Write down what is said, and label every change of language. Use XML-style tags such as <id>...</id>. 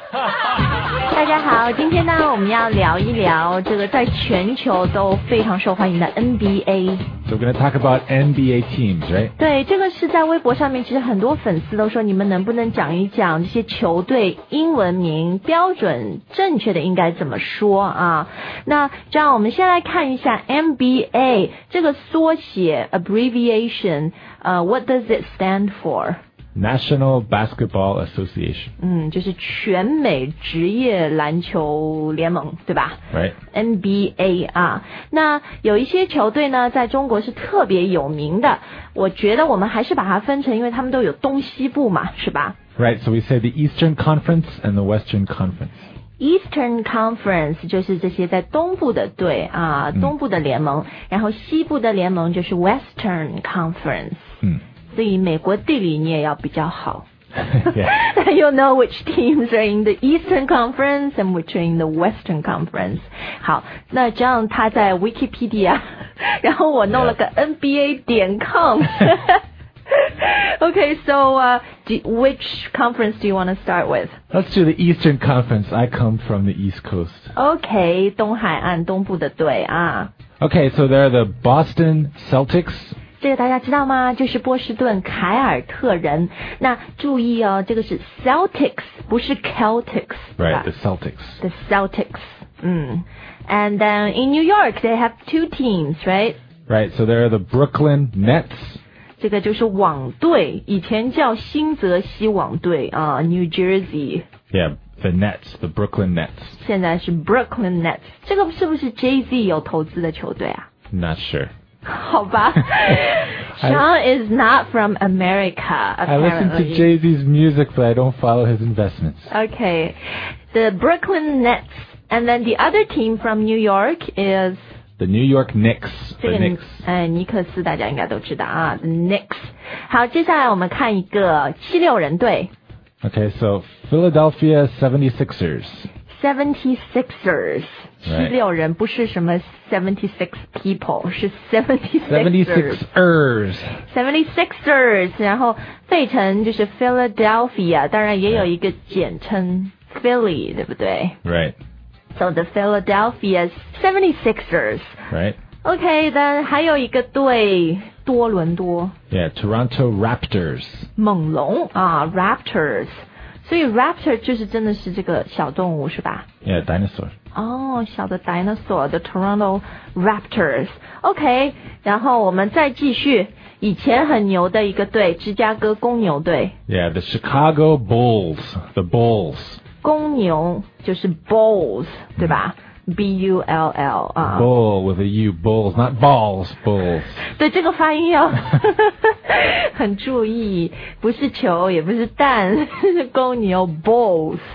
<zh>大家好，今天呢我们要聊一聊这个在全球都非常受欢迎的 NBA。</zh> <en>So we're going to talk about NBA teams, right?</en> <zh>对，这个是在微博上面，其实很多粉丝都说，你们能不能讲一讲这些球队英文名标准正确的应该怎么说啊？那这样，我们先来看一下 NBA 这个缩写 abbreviation,</zh> <en>what does it stand for? National Basketball Association.</en> <zh>就是全美职业篮球联盟，对吧？</zh> <en>Right.</en> <zh>NBA 啊，那有一些球队呢，在中国是特别有名的。我觉得我们还是把它分成，因为他们都有东西部嘛，是吧？</zh> <en>Right. So we say the Eastern Conference and the Western Conference.</en> <zh>Eastern Conference 就是这些在东部的队啊，东部的联盟，然后西部的联盟就是 Western Conference. 所以美国地理你也要比较好</zh> <en>yeah. You'll know which teams are in the Eastern Conference and which are in the Western Conference.</en> <zh>好，那这样他在 Wikipedia 然后我弄了个</zh> <en>NBA.com Okay, so which conference do you want to start with? Let's do the Eastern Conference. I come from the East Coast.</en> <zh>Okay, 东海岸东部的队啊。</zh> <en>Okay, so there are the Boston Celtics.</en> <zh>这个大家知道吗？就是波士顿凯尔特人。那注意哦，这个是 Celtics, 不是 Celtics.</zh> <en>Right, the Celtics. The Celtics. And then in New York, they have two teams, right? Right, so there are the Brooklyn Nets.</en> <zh>这个就是网队，以前叫新泽西网队啊、New Jersey.</zh> <en>Yeah, the Nets, the Brooklyn Nets.</en> <zh>现在是 Brooklyn Nets. 这个是不是 Jay-Z 有投资的球队啊？</zh> <en>Not sure. 好吧 Sean is not from America, apparently. I listen to Jay-Z's music, but I don't follow his investments. Okay. The Brooklyn Nets. And then the other team from New York is... The New York Knicks.</en> <zh>这个 Knicks. 尼克斯大家应该都知道啊 The Knicks. 好，接下来我们看一个七六人队。</zh> <en>Okay, so Philadelphia 76ers. 76ers、 right.</en> <zh>七六人不是什么 76 people 是</zh> <en>76ers</en> <zh>76ers 然后费城就是 Philadelphia 当然也有一个简称 Philly 对不对</zh> <en>Right So the Philadelphia 76ers Right OK then</en> <zh>还有一个队多伦多</zh> <en>Yeah Toronto Raptors</en> <zh>猛龙啊 Raptors所以 raptor 就是真的是这个小动物是吧</zh> <en>Yeah, dinosaur.</en> <zh>哦、小的 dinosaur, the Toronto Raptors. OK, 然后我们再继续以前很牛的一个队芝加哥公牛队。</zh> <en>Yeah, the Chicago Bulls, the Bulls.</en> <zh>公牛就是 bulls, 对吧、B-U-L-L.、</zh> <en>Bull with a U, bulls, not balls, bulls.</en> <zh>对这个发音要很注意不是球也不是蛋是公牛 bulls.</zh>